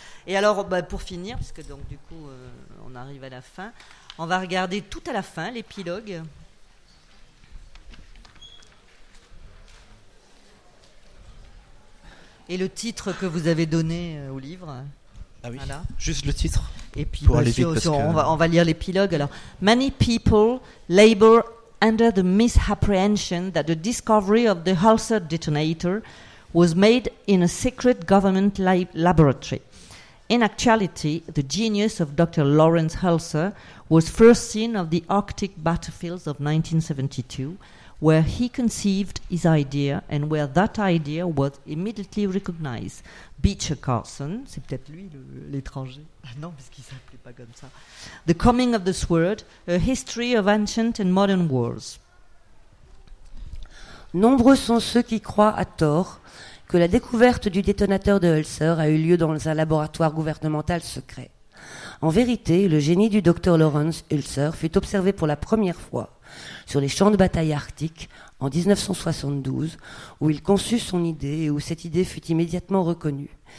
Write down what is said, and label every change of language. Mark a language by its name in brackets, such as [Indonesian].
[French] Et alors, pour finir, puisque donc du coup, on arrive à la fin, on va regarder tout à la fin l'épilogue. Et le titre que vous avez donné au livre. Ah oui, voilà. Juste le titre. Et puis, on va lire l'épilogue. Alors, [English] many people labor under the misapprehension that the discovery of the Halsa detonator was made in a secret government laboratory. In actuality, the genius of Dr. Lawrence Halsa was first seen on the Arctic battlefields of 1972, where he conceived his idea and where that idea was immediately recognized. [French] Beecher Carlson, c'est peut-être lui l'étranger. Non, parce qu'il s'appelait pas comme ça. [English] The Coming of the Sword, a History of Ancient and Modern Wars. [French] Nombreux sont ceux qui croient à tort que la découverte du détonateur de Hölzer a eu lieu dans un laboratoire gouvernemental secret. En vérité, le génie du docteur Lawrence Hölzer fut observé pour la première fois sur les champs de bataille arctiques en 1972, où il conçut son idée et où cette idée fut immédiatement reconnue.